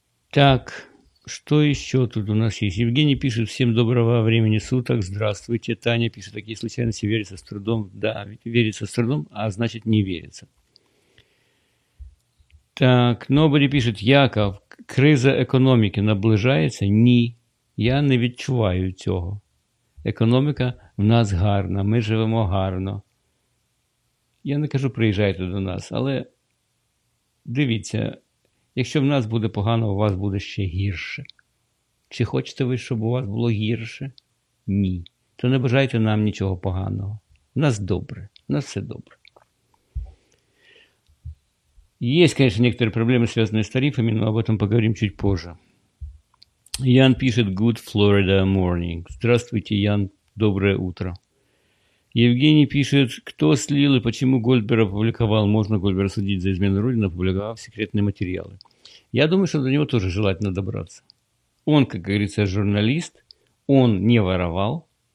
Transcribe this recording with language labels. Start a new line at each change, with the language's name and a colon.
Russian: Так, что еще тут у нас есть? Евгений пишет, всем доброго времени суток. Здравствуйте. Таня пишет, такие случайности верятся с трудом. Да, верится с трудом, а значит не верится. Так, Nobody пишет, Яков, криза экономики наближается?
Ukrainian: Ні, я не відчуваю цього. Економіка в нас гарна, ми живемо гарно. Я не кажу, приїжджайте до нас, але дивіться, якщо в нас буде погано, у вас буде ще гірше. Чи хочете ви, щоб у вас було гірше? Ні. То не бажайте нам нічого поганого. У нас добре, у нас все добре.
Russian: Есть, конечно, некоторые проблемы, связанные с тарифами, но об этом поговорим чуть позже. Ян пишет
English: «Good Florida Morning».
Russian: Здравствуйте, Ян. Доброе утро. Евгений пишет «Кто слил и почему Гольдберг опубликовал? Можно Гольдберга судить за измену Родины, опубликовав секретные материалы?» Я думаю, что до него тоже желательно добраться. Он, как говорится, журналист. Он не воровал.